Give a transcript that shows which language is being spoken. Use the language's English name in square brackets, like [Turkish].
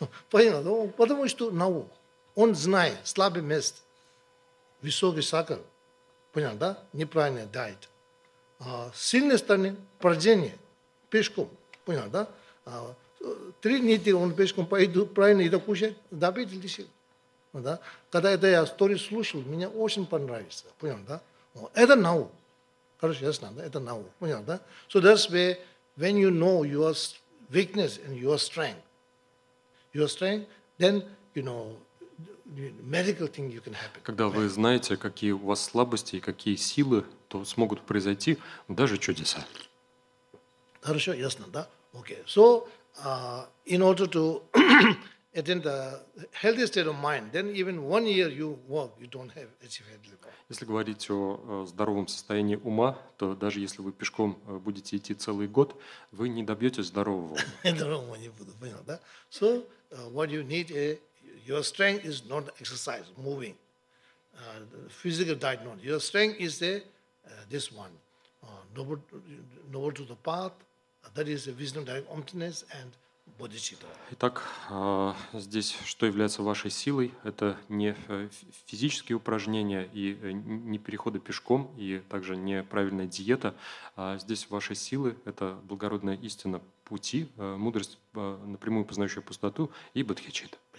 [Russian] Понятно, потому что наука, он знает слабое место, высокий сахар, понятно, да, неправильный диет. Сильная сторона, падение, пешком, понятно, да. 3 недели он пешком пойдет, правильно еду кушать, добить лечение. Да? Когда это я историю слушал, мне очень понравилось. Понял, да? Это наука. Хорошо, ясно, да? Это наука. Понял, да? [English] So that's where, when you know your weakness and your strength, then, you know, medical thing you can happen. [Russian] Когда вы знаете, какие у вас слабости и какие силы, то смогут произойти даже чудеса. Хорошо, ясно, да? [English] Okay. So, in order to... And then the healthy state of mind, then even 1 year you walk, you don't have achieved healthy life. [Russian] Если говорить о здоровом состоянии ума, то даже если вы пешком будете идти целый год, вы не добьетесь здорового ума. Здорового не буду, понял, да? [English] So, what you need, your strength is not exercise, moving. Physical diet, not. Your strength is this one. Noble to the path, that is a wisdom, direct emptiness, and [Russian] Итак, здесь что является вашей силой, это не физические упражнения и не переходы пешком, и также не правильная диета. Здесь ваши силы – это благородная истина пути, мудрость, напрямую познающая пустоту, и бодхичитта.